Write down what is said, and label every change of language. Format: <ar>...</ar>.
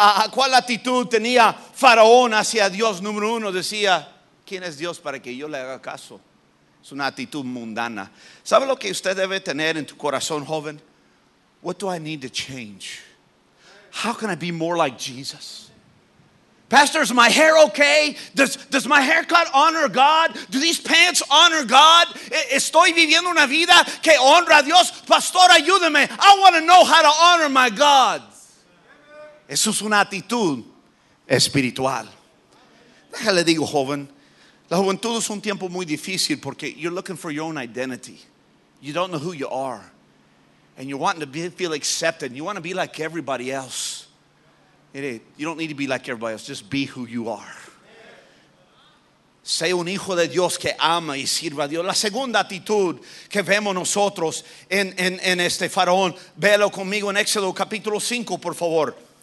<es>¿Cuál actitud tenía Faraón hacia Dios? Número uno, decía, ¿quién es Dios para que yo le haga caso? Es una actitud mundana. ¿Sabe lo que usted debe tener en tu corazón, joven?</es> <en>What do I need to change? How can I be more like Jesus? Pastor, is my hair okay? Does my haircut honor God? Do these pants honor God?</en> <es>¿Estoy viviendo una vida que honra a Dios? Pastor, ayúdame.</es> <en>I want to know how to honor my God.</en> <es>Eso es una actitud espiritual. Déjale digo, joven. La juventud es un tiempo muy difícil porque</es> <en>you're looking for your own identity. You don't know who you are. And you're wanting to be, feel accepted. You want to be like everybody else. You don't need to be like everybody else. Just be who you are.</en> <es>Sé un hijo de Dios que ama y sirve a Dios. La segunda actitud que vemos nosotros en este faraón, véalo conmigo en Éxodo capítulo 5, por favor.</es>